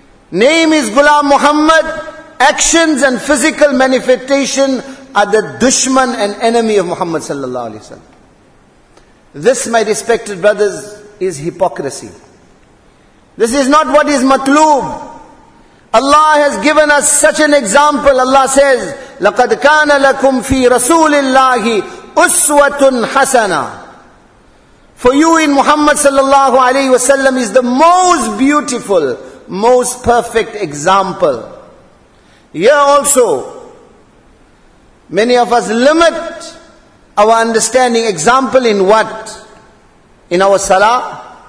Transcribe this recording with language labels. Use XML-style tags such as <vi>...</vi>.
<en>Name is Ghulam Muhammad. Actions and physical manifestation are the dushman and enemy of Muhammad sallallahu alaihi wasallam. This, my respected brothers, is hypocrisy. This is not what is matloob. Allah has given us such an example. Allah says,</en> <ar>لَقَدْ كَانَ لَكُمْ فِي رَسُولِ اللَّهِ أُسْوَةٌ حَسَنًا.</ar> <en>For you in Muhammad sallallahu alayhi wa sallam is the most beautiful, most perfect example. Here also, many of us limit our understanding. Example in what? In our salah.</en>